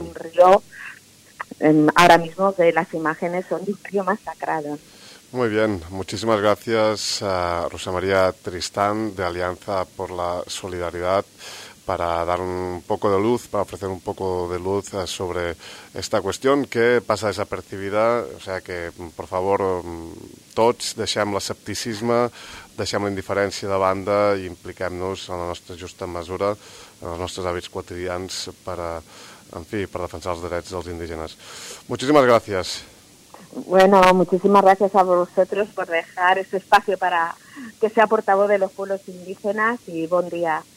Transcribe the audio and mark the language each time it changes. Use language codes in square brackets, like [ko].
[es] Un río, ahora mismo de las imágenes son de un río masacrado. Muy bien, muchísimas gracias a Rosa María Tristán de Alianza por la Solidaridad, para dar un poco de luz, para ofrecer un poco de luz sobre esta cuestión que pasa desapercibida. O sea que, por favor, [ca] tots deixem l'escepticisme, deixem la indiferència de banda i impliquem-nos en la nostra justa mesura, en els nostres hàbits quotidians per, a, en fi, per defensar els drets dels indígenes. Moltíssimes gràcies. [es] Bueno, muchísimas gracias a vosotros por dejar este espacio para que sea portavoz de los pueblos indígenas y [ca] bon dia.